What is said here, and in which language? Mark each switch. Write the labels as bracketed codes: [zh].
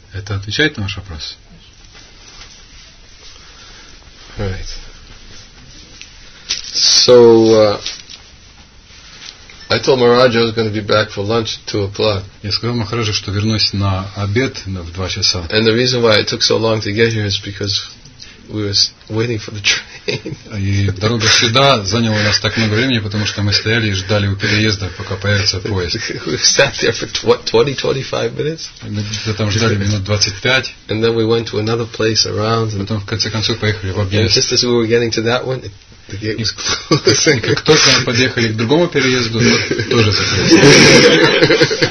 [ru] Это отвечает на ваш вопрос. [en] Right. So I told Maharaj I was going to be back for lunch at 2:00. [ru] Я сказал Махараджу, что вернусь на обед в 2:00. [en] And the reason why it took so long to get here is because we were waiting for the train. [ru] И дорога сюда заняла у нас так много времени, потому что мы стояли и ждали у переезда, пока появится поезд. [en] We sat there for 20-25 minutes. [ru] Мы там ждали минут 25. [en] And then we went to another place around. [ru] Потом в конце концов поехали в объезд. [en] Just as we were getting to that one, the gate was closing. [ru] Как только мы подъехали к другому переезду, тоже закрылся.